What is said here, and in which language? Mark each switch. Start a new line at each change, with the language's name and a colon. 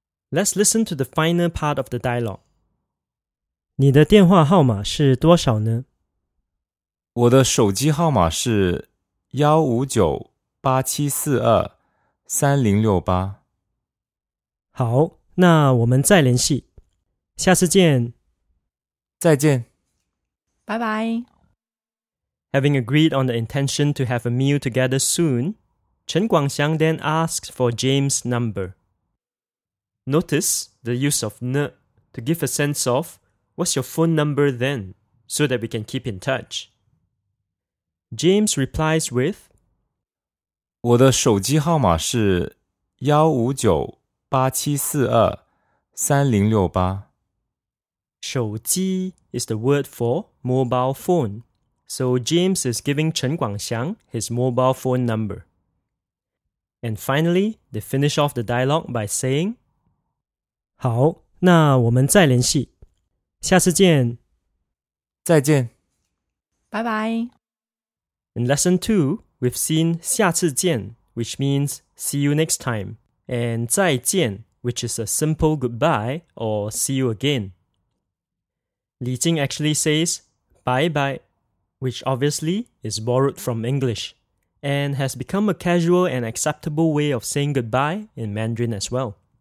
English: Let's listen to the final part of the dialogue.
Chinese: 你的电话号码是多少呢？我的手机号码是15987423068。好，那我们再联系。下次见。再见。拜拜。
English: Having agreed on the intention to have a meal together soon, Chen Guangxiang then asks for James' number. Notice the use of 呢 to give a sense of what's your phone number then, so that we can keep in touch. James replies with
Chinese: 我的手机号码是15987423068。
English: 手机 is the word for mobile phone, so James is giving Chen Guangxiang his mobile phone number. And finally, they finish off the dialogue by saying,
Chinese: 好，那我们再联系，下次见。再见。拜拜。
English: In lesson 2, we've seen
Chinese: 下次见,
English: which means see you next time, and
Chinese: 再见,
English: which is a simple goodbye or see you again. Li Jing actually says, bye bye, which obviously is borrowed from English, and has become a casual and acceptable way of saying goodbye in Mandarin as well.